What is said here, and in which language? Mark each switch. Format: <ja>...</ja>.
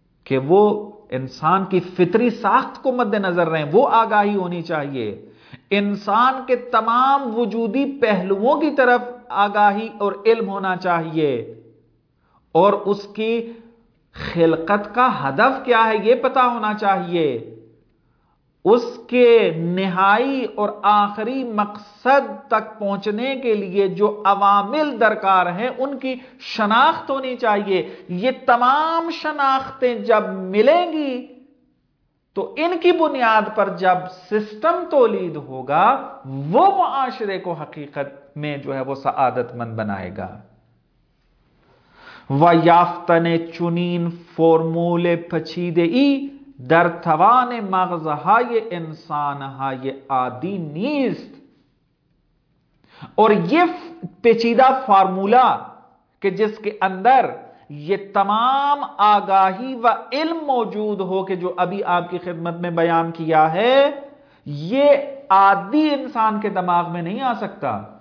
<ur>کہ وہ انسان کی فطری ساخت کو مد نظر رہیں، وہ آگاہی ہونی چاہیے، انسان کے تمام وجودی پہلوؤں کی طرف آگاہی اور علم ہونا چاہیے، اور اس کی خلقت کا ہدف کیا ہے یہ پتا ہونا چاہیے، اس کے نہائی اور آخری مقصد تک پہنچنے کے لیے جو عوامل درکار ہیں ان کی شناخت ہونی چاہیے. یہ تمام شناختیں جب ملیں گی تو ان کی بنیاد پر جب سسٹم تولید ہوگا وہ معاشرے کو حقیقت میں جو ہے وہ سعادت مند بنائے گا.</ur> <fa>و یافتن چنین فارمولے پچیدے ای در توان مغزهای انسانهای عادی نیست.</fa> <ur>اور یہ پیچیدہ فارمولا کہ جس کے اندر یہ تمام آگاہی و علم موجود ہو کہ جو ابھی آپ کی خدمت میں بیان کیا ہے، یہ عادی انسان کے دماغ میں نہیں آ سکتا.</ur>